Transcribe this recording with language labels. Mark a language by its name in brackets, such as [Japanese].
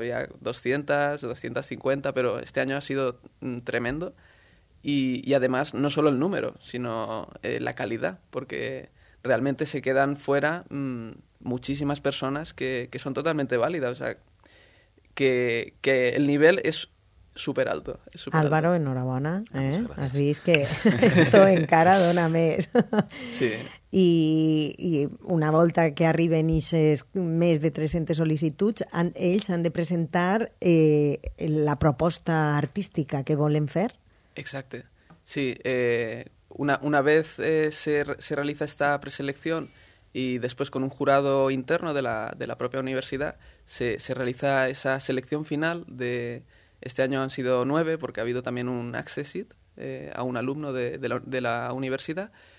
[Spanish] Había 200, 250, pero este año ha sido tremendo. Y además, no solo el número, sino la calidad, porque realmente se quedan fuera muchísimas personas que son totalmente válidas. O sea, que el nivel es... súper alto. [Catalan] Álvaro, enhorabona. Has vist que esto encara dona més. Sí. I una volta que arriben ixes més de 300 sol·licituds, ells han de presentar la proposta artística que volen fer? Exacte. Sí. [Spanish] Una vez se realiza esta preselección y después con un jurado interno de la propia universidad, se realiza esa selección final de... Este año han sido 9 porque ha habido también un accessit a un alumno de la universidad.